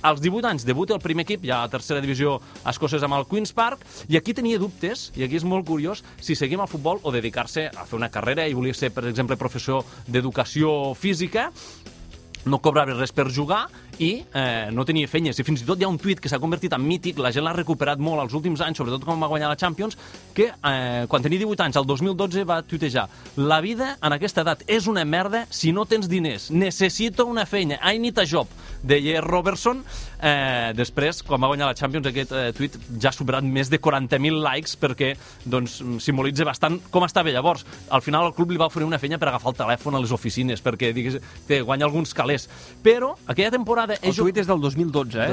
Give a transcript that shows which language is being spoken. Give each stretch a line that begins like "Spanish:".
Catalan: Als 18 anys debuta el primer equip, ja a tercera divisió escocesa amb el Queen's Park, i aquí tenia dubtes, i aquí és molt curiós, si seguim al futbol o dedicar-se a fer una carrera i volia ser, per exemple, professor d'educació física, no cobrava res per jugar i no tenia fenyes. I fins i tot hi ha un tuit que s'ha convertit en mític, la gent l'ha recuperat molt els últims anys, sobretot quan va guanyar la Champions, que quan tenia 18 anys, el 2012, va tuitejar: la vida en aquesta edat és una merda si no tens diners. Necessito una fenya.
English: I need a job,
Catalan: deia
English: Robertson.
Catalan: Després, quan va guanyar la Champions, aquest tuit ja ha superat més de 40.000 likes, perquè doncs simbolitza bastant com estava llavors. Al final el club li va oferir una fenya per agafar el telèfon a les oficines, perquè digues, té, guanya alguns calés. Però aquella temporada... El tuit és del 2012, eh?